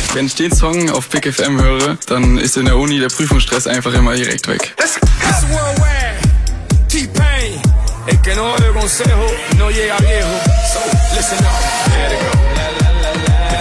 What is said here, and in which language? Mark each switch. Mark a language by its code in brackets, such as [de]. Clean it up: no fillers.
[de] Wenn ich den Song auf Big FM höre, dann ist in der Uni der Prüfungsstress einfach immer direkt weg. Es ist Worldwide, T-Pain. [es] El que no oye consejo, no llega viejo. [en] So, listen up. Let it go, la, la, la, la.